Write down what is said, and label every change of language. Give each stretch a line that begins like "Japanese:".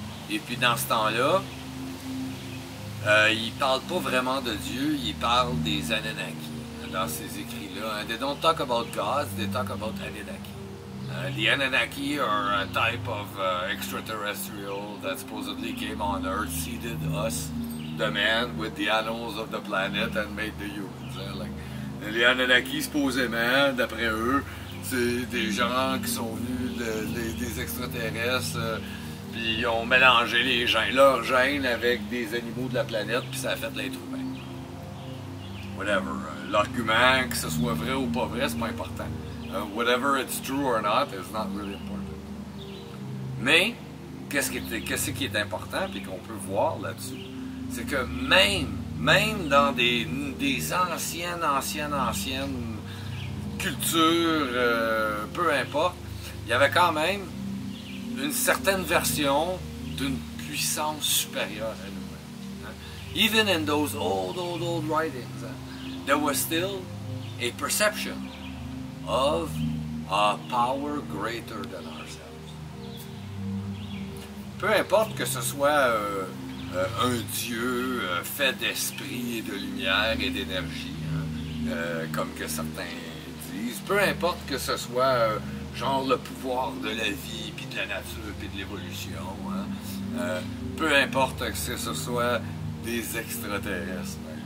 French: Et puis dans ce temps-là, ils parlent pas vraiment de Dieu, ils parlent des Anunnaki dans ces écrits-là.
English: They don't talk about gods, they talk about Anunnaki. The Anunnaki are a type of extraterrestrial that supposedly came on Earth, seeded us, the man, with the annals of the planet and made the humans.
French: Les Anunnaki, supposément, d'après eux, c'est des gens qui sont venus, des extraterrestres, puis ils ont mélangé les gènes, leurs gènes avec des animaux de la planète, puis ça a fait l'être humain.
English: Whatever.
French: L'argument, que ce soit vrai ou pas vrai, c'est pas important.
English: Whatever it's true or not, it's not really important.
French: Mais, qu'est-ce qui est important, puis qu'on peut voir là-dessus, c'est que même dans des anciennes cultures, peu importe, il y avait quand même une certaine version d'une puissance supérieure à nous-mêmes. Hein?
English: Even in those old writings, there was still a perception of a power greater than ourselves.
French: Peu importe que ce soit un dieu fait d'esprit et de lumière et d'énergie, hein, comme que certains disent, peu importe que ce soit genre le pouvoir de la vie, puis de la nature, puis de l'évolution, hein, peu importe que ce soit des extraterrestres.